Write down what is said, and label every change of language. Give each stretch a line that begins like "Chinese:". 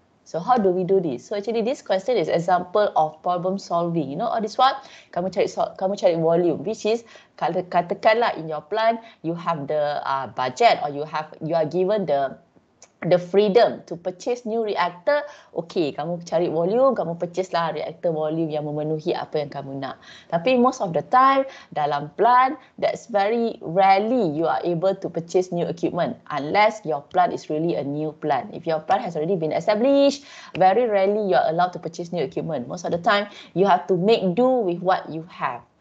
English: So how do we do this? So actually this question is example of problem solving. You know all this one,
Malay: kamu cari volume,
English: which is
Malay: katakanlah
English: in your plan you have the budget or you are given the freedom to purchase new reactor.
Malay: Okay, kamu cari volume, kamu purchase lah reactor volume yang memenuhi apa yang kamu nak.
English: Tapi most of the time dalam plan, that's very rarely you are able to purchase new equipment unless your plan is really a new plan. If your plan has already been established, very rarely you are allowed to purchase new equipment. Most of the time you have to make do with what you have.